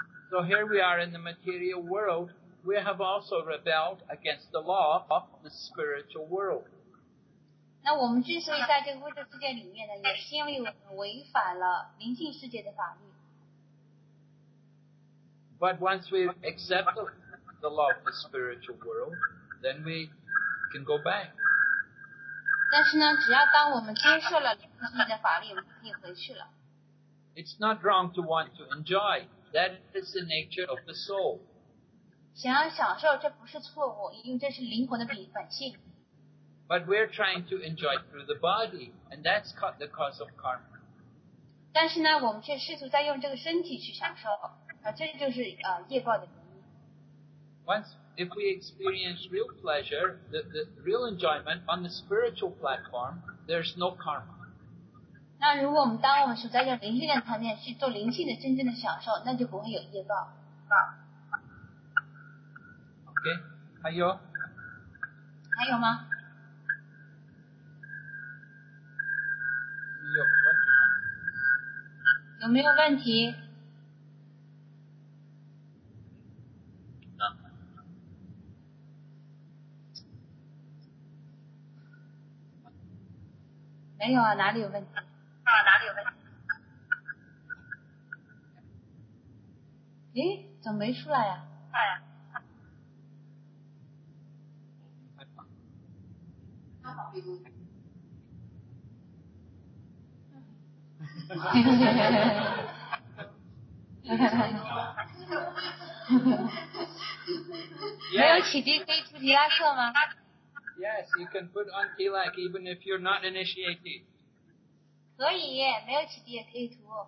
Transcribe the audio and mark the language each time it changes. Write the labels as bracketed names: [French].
[English] So here we are in the material world, we have also rebelled against the law of the spiritual world. [Chinese] 那我们之所以在这个物质世界里面呢,也是因为我们违反了灵性世界的法律。 [English] But once we've accepted the law of the spiritual world, then we can go back. [Chinese] 但是呢,只要当我们接受了灵性的法律,我们可以回去了。 [English] It's not wrong to want to enjoy. That is the nature of the soul. [Chinese] 想要享受,这不是错误,因为这是灵魂的本性。 [English] But we're trying to enjoy through the body, and that's the cause of karma. [Chinese] 但是呢,我们却试图在用这个身体去享受,这就是业报的原因。 [English] Once if we experience real pleasure, the real enjoyment on the spiritual platform, there's no karma. [Chinese] 那如果我们当我们是在这灵性的层面去做灵性的真正的享受，那就不会有业报。 OK， 还有？还有吗？有问题吗？有没有问题？没有啊，哪里有问题？啊，哪里有问题？诶，怎么没出来呀？哎呀，没有起迪可以出迪拉克吗？ [English] Yes, you can put on Tilak even if you're not initiated. [Chinese] 可以，没有起迪也可以涂。